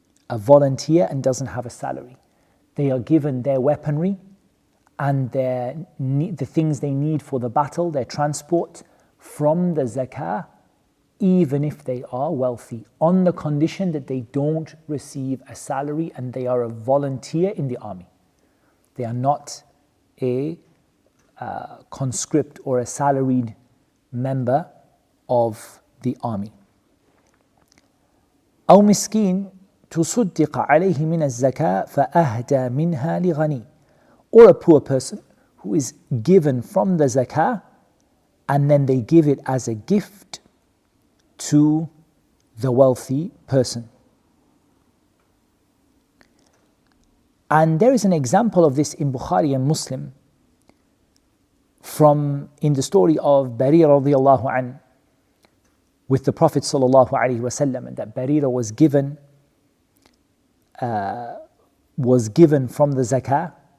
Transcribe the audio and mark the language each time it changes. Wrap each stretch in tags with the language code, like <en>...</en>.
<en>A volunteer and doesn't have a salary. They are given their weaponry and the things they need for the battle, their transport, from the zakah, even if they are wealthy, on the condition that they don't receive a salary and they are a volunteer in the army. They are not a conscript or a salaried member of the army.</en> <ar>أو مسكين تصدق عليه من الزكاة فأهدى منها لغني.</ar> <en>Or a poor person who is given from the zakah and then they give it as a gift to the wealthy person. And there is an example of this in Bukhari and Muslim from in the story of Barira radiallahu an with the Prophet sallallahu alaihi wasallam, and that Barira was given from the zakah.</en>